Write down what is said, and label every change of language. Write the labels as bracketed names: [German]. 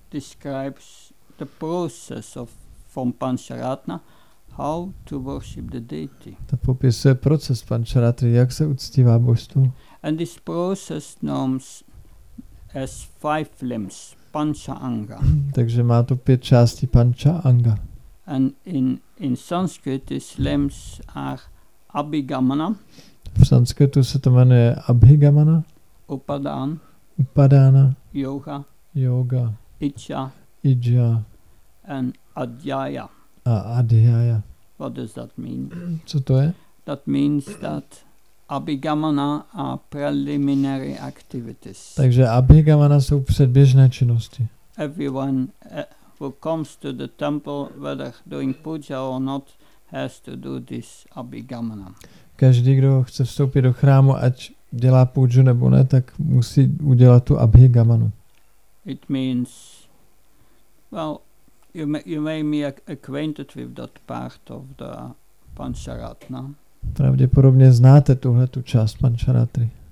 [English] Describes the process of from Pancharatna, how to worship the deity. [Czech] To popisuje proces Pancharatry, jak se uctívá božstvo. [English] And this process norms as five limbs, Pancha Anga. [Czech] Takže má to pět částí Pancha Anga. [English] And in Sanskrit, these limbs are Abhigamana. [Czech] V sanskritu se to jmenuje Abhigamana. [English] Upadana. Yoga. Ichha. And Adhyaya. [Czech] A Adhyaya. [English] What does that mean? [Czech] Co to je? [English] That means that Abhigamana are preliminary activities. [Czech] Takže Abhigamana jsou předběžné činnosti. [English] Everyone who comes to the temple, whether doing puja or not, has to do this Abhigamana. [Czech] Každý, kdo chce vstoupit do chrámu, ať dělá puju nebo ne, tak musí udělat tu Abhigamanu. [English] It means, well, you may be acquainted with that part of the Pancharatna. [Czech] Pravděpodobně znáte tuhle tu část Pancharatry.